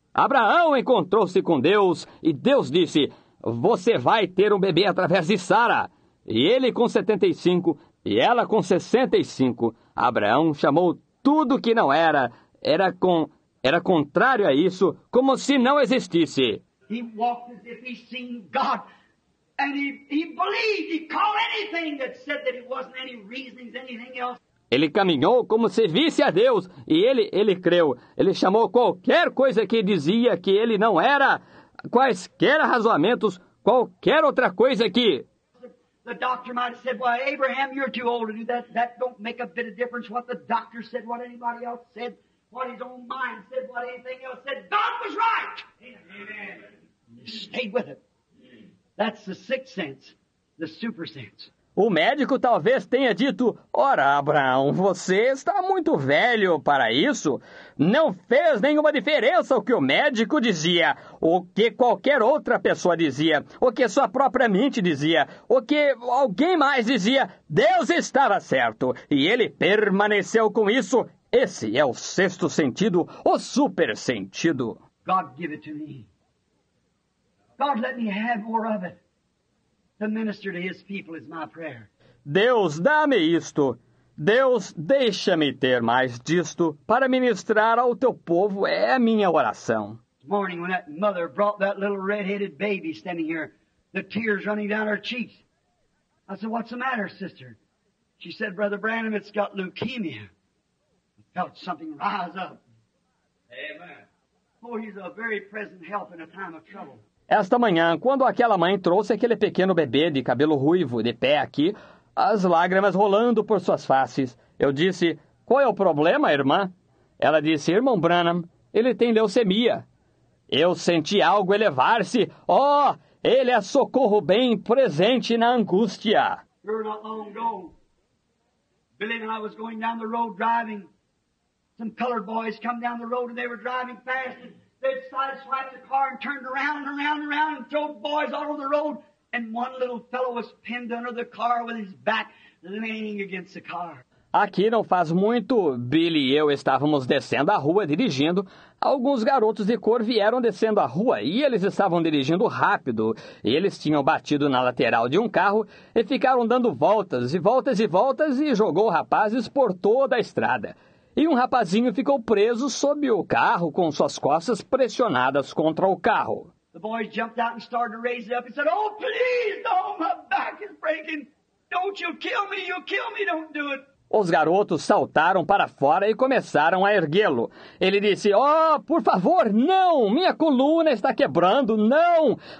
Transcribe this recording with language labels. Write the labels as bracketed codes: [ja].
[pt] Abraão encontrou-se com Deus, e Deus disse, você vai ter um bebê através de Sara. E ele com 75, e ela com 65. Abraão chamou tudo que não era, era contrário a isso, como se não existisse. [en] He walked as if he'd seen God. And he believed, he called anything that said that it wasn't any reasonings, anything else. [pt] Ele caminhou como se visse a Deus, e ele creu. Ele chamou qualquer coisa que dizia que ele não era, quaisquer razoamentos, qualquer outra coisa que... [en] The doctor might have said, well, Abraham, you're too old to do that. That don't make a bit of difference what the doctor said, what anybody else said, what his own mind said, what anything else said. God was right. Amen. Stayed with it. That's the sixth sense, the super sense. [pt] O médico talvez tenha dito, ora, Abraão, você está muito velho para isso. Não fez nenhuma diferença o que o médico dizia, o que qualquer outra pessoa dizia, o que sua própria mente dizia, o que alguém mais dizia. Deus estava certo e ele permaneceu com isso. Esse é o sexto sentido, o super sentido. [en] God give it to me. God let me have more of it. To minister to his people is my prayer. [pt] Deus, dá-me isto. Deus, deixa-me ter mais disto para ministrar ao teu povo. É a minha oração. [en] This morning when that mother brought that little red-headed baby standing here, the tears running down her cheeks. I said, what's the matter, sister? She said, Brother Branham, it's got leukemia. I felt something rise up. Amen. Oh, he's a very present help in a time of trouble. [pt] Esta manhã, quando aquela mãe trouxe aquele pequeno bebê de cabelo ruivo de pé aqui, as lágrimas rolando por suas faces, eu disse, qual é o problema, irmã? Ela disse, irmão Branham, ele tem leucemia. Eu senti algo elevar-se. Oh, ele é socorro bem presente na angústia. [en] Here not long ago, Billy and I was going down the road driving. Some colored boys come down the road and they were driving fast. They'd sideswipe the car and turned around and around and around and throw boys all over the road. And one little fellow was pinned under the car with his back leaning against the car. [pt] Aqui não faz muito, Billy e eu estávamos descendo a rua dirigindo. Alguns garotos de cor vieram descendo a rua e eles estavam dirigindo rápido. Eles tinham batido na lateral de um carro e ficaram dando voltas e voltas e voltas e jogou rapazes por toda a estrada. E um rapazinho ficou preso sob o carro, com suas costas pressionadas contra o carro. [en] The boys jumped out and started to raise it up. He said, oh, please, oh, my back is breaking. Don't you kill me, don't do it. [pt] Os garotos saltaram para fora e começaram a erguê-lo. Ele disse, oh, por favor, não, minha coluna está quebrando, não.